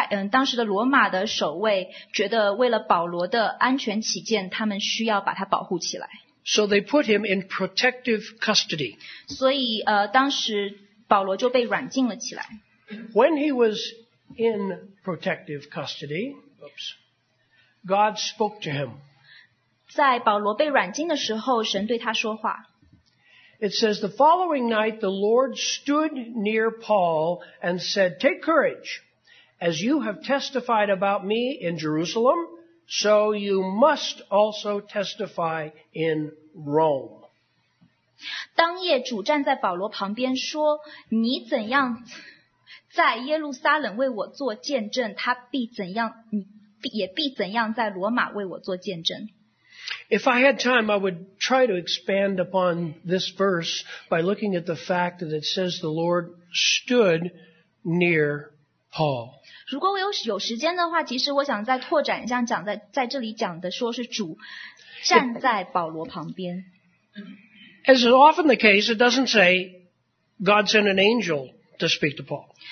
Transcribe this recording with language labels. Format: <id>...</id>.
<zh>当时的罗马的守卫觉得为了保罗的安全起见，他们需要把他保护起来。</zh> <en>So they put him in protective custody.</en> <zh>所以当时保罗就被软禁了起来。</zh> <en>When he was in protective custody, God spoke to him.</en> <zh>在保罗被软禁的时候，神对他说话。</zh> <en>It says, the following night the Lord stood near Paul and said, take courage. As you have testified about me in Jerusalem, so you must also testify in Rome.</en> <zh>当夜主站在保罗旁边说，你怎样在耶路撒冷为我做见证，他必怎样，也必怎样在罗马为我做见证。</zh> <en>If I had time, I would try to expand upon this verse by looking at the fact that it says the Lord stood near Paul.</en> <zh>如果我有时间的话，其实我想再拓展一下讲在这里讲的说是主站在保罗旁边。</zh> <en>As is often the case, it doesn't say God sent an angel to speak to Paul.</en>